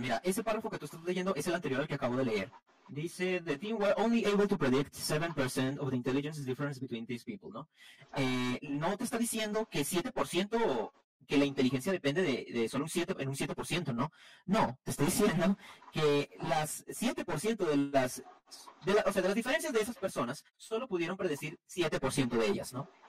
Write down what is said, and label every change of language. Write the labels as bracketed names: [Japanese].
[Spanish] Mira, ese párrafo que tú estás leyendo es el anterior al que acabo de leer. Dice, [English] the team were only able to predict 7% of the intelligence difference between these people, ¿no? [Spanish] No te está diciendo que 7%, que la inteligencia depende de solo un 7%, ¿no? No, te está diciendo que las 7% de las diferencias de esas personas solo pudieron predecir 7% de ellas, ¿no?